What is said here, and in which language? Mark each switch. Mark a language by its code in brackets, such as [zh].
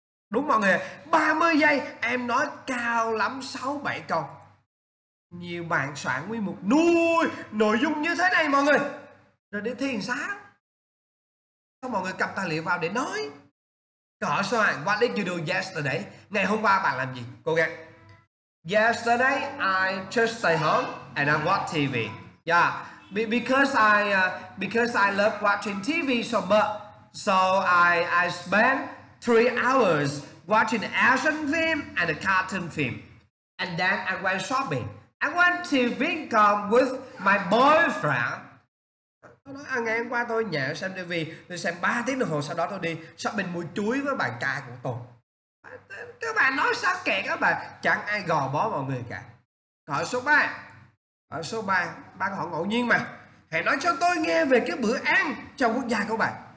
[vi] Đúng mọi người, 30 giây em nói cao lắm 6-7 câu. Nhiều bạn soạn nguyên một nội dung như thế này mọi người. Rồi đi thi làm sao? Không, mọi người cầm tài liệu vào để nói. Cỡ soạn, [en] what did you do yesterday? [vi] Ngày hôm qua bạn làm gì? Cố gắng. [en] Yesterday I just stay home and I watch TV. Yeah, because I love watching TV so much, so I spend 3 hours watching action film and a cartoon film, and then I went shopping. I went to Vincom with my boyfriend. [vi] Tôi nói ngày hôm qua tôi nhẹ xem TV, tôi xem 3 tiếng đồng hồ, sau đó tôi đi shopping mua chuối với bạn trai của tôi. Các bạn nói sao kệ các bạn, chẳng ai gò bó mọi người cả. Hỏi số 3. Hỏi số 3, bạn hỏi ngẫu nhiên mà. Hãy nói cho tôi nghe về cái bữa ăn trong quốc gia của bạn.